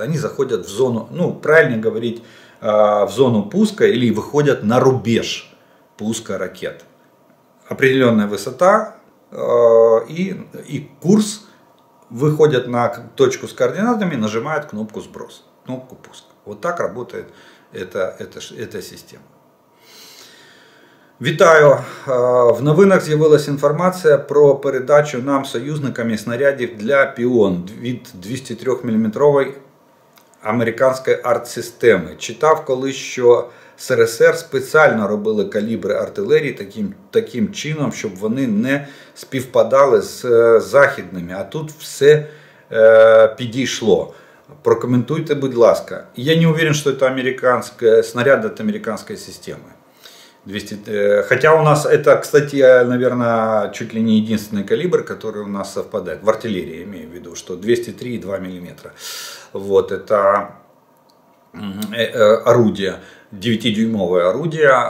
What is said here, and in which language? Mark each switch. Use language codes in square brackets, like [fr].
[ru] Они заходят в зону, ну правильнее говорить, в зону пуска или выходят на рубеж пуска ракет. Определенная высота... И курс, выходят на точку с координатами, нажимают кнопку сброс. кнопку пуска. Вот так работает эта система. [uk] Вітаю! В новинах з'явилася інформація про передачу нам, союзниками, снарядів для піон від 203-мм американської артсистеми. Читав колись, що СРСР спеціально робили калібри артилерії таким чином, щоб вони не співпадали з західними. А тут все підійшло. Прокоментуйте, будь ласка. [ru] Я не уверен, [uk] що це американське снаряд від американської системи. [ru] 200, хотя у нас это, кстати, наверное, чуть ли не единственный калибр, который у нас совпадает. В артиллерии имею в виду, что 203,2 мм. Вот это орудие, 9-дюймовое орудие.